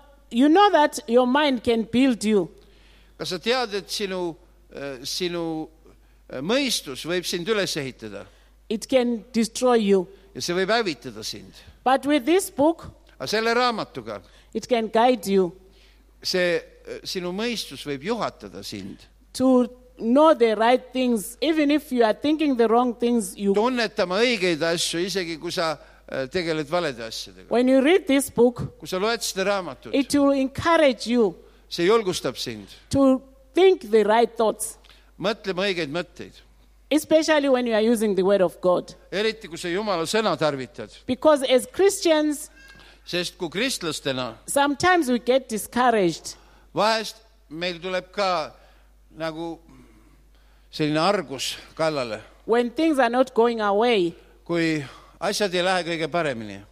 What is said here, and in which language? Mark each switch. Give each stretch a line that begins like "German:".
English: You know that your mind can build you.
Estonian: Kas sa tead, et sinu mõistus võib sind üles ehitada?
English: It can destroy you.
Estonian: Ja see võib hävitada sind.
English: But with this book,
Estonian: aga selle raamatuga,
English: it can guide you.
Estonian: See sinu mõistus võib juhatada sind.
English: To know the right things, even if you are thinking the wrong things, you
Estonian: tunnetama õigeid asju, isegi kui sa tegeled valede asjadega.
English: When you read this book,
Estonian: kui sa loed seda raamatut,
English: it will encourage you,
Estonian: see julgustab sind,
English: to think the right thoughts,
Estonian: mõtlema õigeid mõtteid,
English: especially when you are using the word of God,
Estonian: eriti kui sa Jumala sõna tarvitad.
English: Because as Christians,
Estonian: sest kui kristlastena,
English: sometimes we get discouraged.
Estonian: Vahest meil tuleb ka nagu selline argus kallale.
English: When things are not going away.
Estonian: Kui asjad ei lähe kõige paremini.